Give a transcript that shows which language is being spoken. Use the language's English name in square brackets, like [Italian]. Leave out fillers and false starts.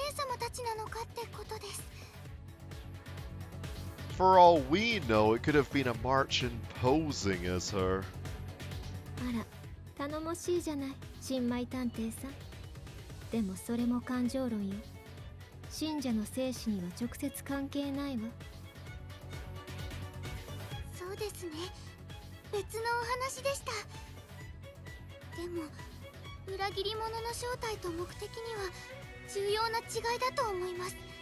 [Japanese] 裏切り者にとって利用できるから、利用するために、ここに誘導したから。そう言いたいのでしょう。さすがアリスね。その通りよ。問題は、みんなを連れてきたのが、本当にお姉様たちなのかってことです。 [English] For all we know, it could have been a Marchen posing as her. [Japanese] あら、頼もしいじゃない、新米探偵さん。でもそれも感情論よ。信者の生死には直接関係ないわ。そうですね。別のお話でした。でも、裏切り者の正体と目的には重要な違いだと思います。